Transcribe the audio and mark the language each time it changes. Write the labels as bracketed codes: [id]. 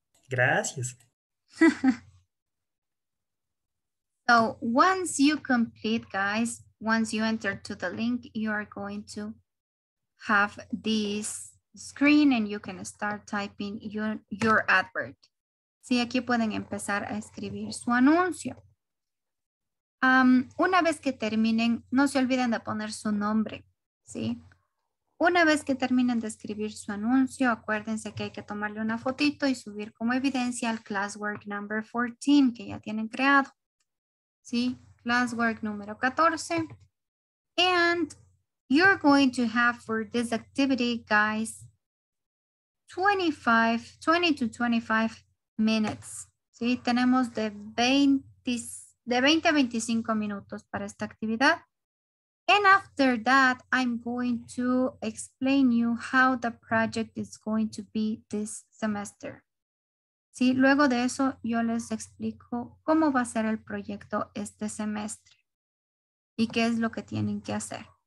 [es] Gracias. [en] So once you complete, guys, once you enter to the link, you are going to have this screen and you can start typing your advert. [es] Sí, aquí pueden empezar a escribir su anuncio. Una vez que terminen, no se olviden de poner su nombre, ¿sí? Una vez que terminen de escribir su anuncio, acuérdense que hay que tomarle una fotito y subir como evidencia al [en] classwork number 14 [es] que ya tienen creado, ¿sí? Classwork número 14. [en] And you're going to have for this activity, guys, 20 to 25 minutes. ¿Sí? [es] Tenemos de 20 a 25 minutos para esta actividad. [en] And after that, I'm going to explain you how the project is going to be this semester. [es] ¿Sí? Luego de eso, yo les explico cómo va a ser el proyecto este semestre y qué es lo que tienen que hacer.